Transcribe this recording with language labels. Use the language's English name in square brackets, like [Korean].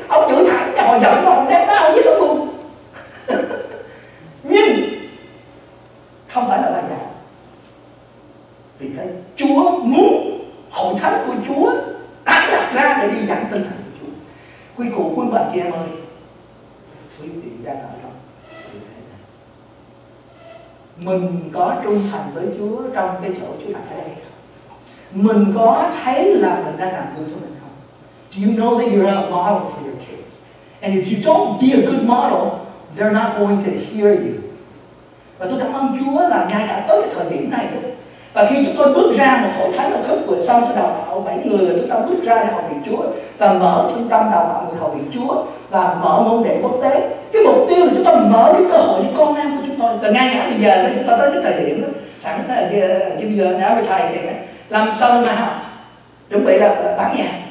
[Vietnamese] Ông chửi thẳng cho họ giận, ông đem đau với nó luôn. Nhưng không phải là bài giảng, vì cái Chúa muốn hội thánh của Chúa tái đặt ra để đi dẫn tinh thần của Chúa. Quý cụ, quý bà chị em ơi, quý vị đang ở trong thế này, mình có trung thành với Chúa trong cái chỗ Chúa đặt ở đây, mình có thấy là mình đang làm gương cho mình không? [English] Do you know that you're a model for your kids? And if you don't be a good model, they're not going to hear you. [Vietnamese] Và tôi cảm ơn Chúa là ngay cả tới cái thời điểm này đó. Và khi chúng tôi bước ra một hội thánh ở cấp vừa xong, tôi đào tạo 7 người và chúng ta bước ra để học việc Chúa và mở trung tâm đào tạo người học việc Chúa và mở môn đệ quốc tế. Cái mục tiêu là chúng ta mở những cơ hội cho con em của chúng tôi. Và ngay cả bây giờ chúng ta tới cái thời điểm đó, sẵn cái [English] give you an advertising, [Vietnamese] làm [English] sell in my house, [Vietnamese] chuẩn bị là bán nhà.